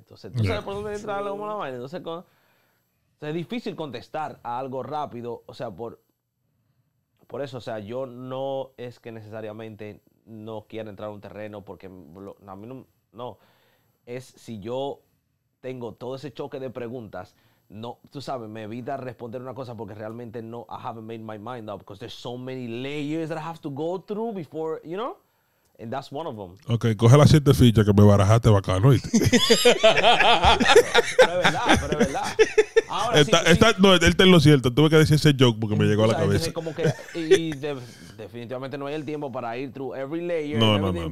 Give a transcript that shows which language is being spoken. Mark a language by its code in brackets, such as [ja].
[es] Entonces, ¿tú sabes por dónde entra algo la vaina? Entonces, es difícil contestar a algo rápido, o sea, por eso, o sea, yo no es que necesariamente no quiera entrar a un terreno porque a mí no... Es si yo tengo todo ese choque de preguntas, no, tú sabes, me evita responder una cosa porque realmente no, [en] I haven't made my mind up because there's so many layers that I have to go through before, you know? And that's one of them. [es] Okay, coge las 7 fichas que me barajaste bacano. Pero es verdad, pero es verdad. Ahora, está, sí, está, no, él te lo cierto. Tuve que decir ese joke porque me llegó a la cabeza. Como que, y definitivamente no hay el tiempo para ir [en] through every layer. [es] No, no, no.